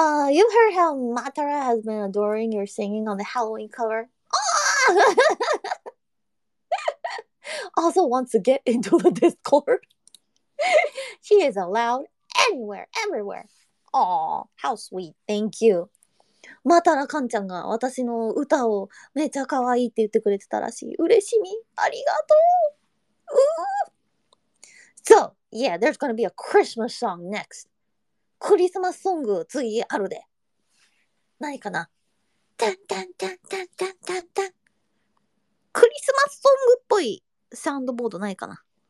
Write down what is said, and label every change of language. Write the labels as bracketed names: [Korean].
[English] you've heard how Matara has been adoring your singing on the Halloween cover. Also wants to get into the Discord. She is allowed anywhere, everywhere. Aww, how sweet. Thank you. [Japanese] Matara Kan ちゃんが私の歌をめちゃ可愛いって言ってくれてたらしい。嬉しみ。ありがとう。 [English] So, yeah, there's gonna be a Christmas song next. [Japanese] クリスマスソング次あるで。何かな？タンタンタンタンタンタンタン。クリスマスソングっぽいサウンドボードないかな？